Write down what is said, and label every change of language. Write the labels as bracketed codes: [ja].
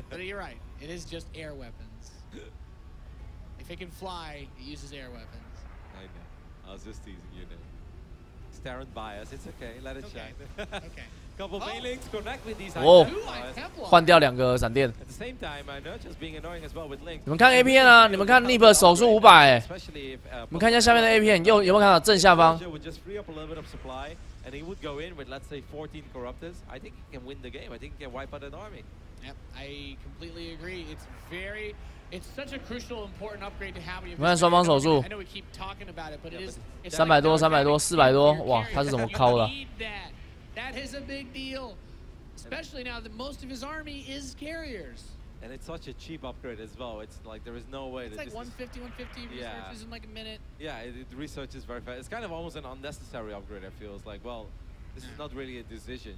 [en] But you're right. It is just air weapons. If it can fly, it uses air weapons. I know. I was just teasing you, Nate. Staren bias, it's okay, let it okay. shine. Okay. Couple of mailings connect with these. [zh] Oh, 换掉两个闪电. [en] At the same time, I know just being annoying as well with Link. [zh] 你们看 A 片啊，你们看 Nip 手速500。你们看一下下面的 A 片，右有没有看到正下方？ [en] Would just free up a little bit of supply, and he would go in with let's say 14 corruptors. I think he can win the game. I think he can wipe out an army. Yep, I completely agree. It's very. It's such a crucial, important upgrade to have. [zh] 你看双方手速， [en] I know we keep talking about it, but it is [zh] 300多、400多、400多， 哇，他是怎么抠的？ [en] That is a big deal, especially now that most of his army is carriers. And it's such a cheap upgrade as well. It's like there is no way. It's like 150 researches in like a minute. Yeah, it researches very fast. It's kind of almost an unnecessary upgrade. It feels like, well, this is not really a decision.